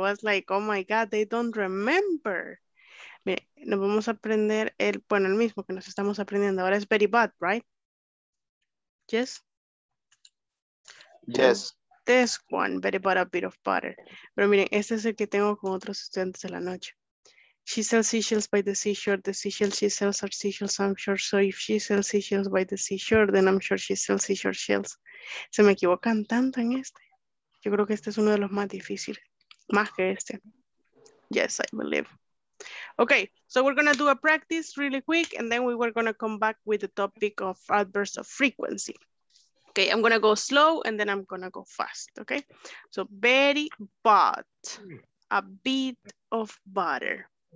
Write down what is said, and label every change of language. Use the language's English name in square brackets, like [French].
[English] Was like, oh my God, they don't remember. [Spanish] Mire, nos vamos a aprender el, bueno, el mismo que nos estamos aprendiendo ahora es [English] very bad, right? Yes? Yes. This one, very bad, a bit of butter. [Spanish] Pero miren, este es el que tengo con otros estudiantes de la noche. [English] She sells seashells by the seashore. The seashells she sells are seashells, I'm sure. So if she sells seashells by the seashore, then I'm sure she sells seashore shells. [Spanish] Se me equivocan tanto en este. Yo creo que este es uno de los más difíciles. Más que este. [English] Yes, I believe. Okay, so we're going to do a practice really quick. And then we were going to come back with the topic of adverbs of frequency. Okay, I'm going to go slow and then I'm going to go fast. Okay, so very but a bit of butter.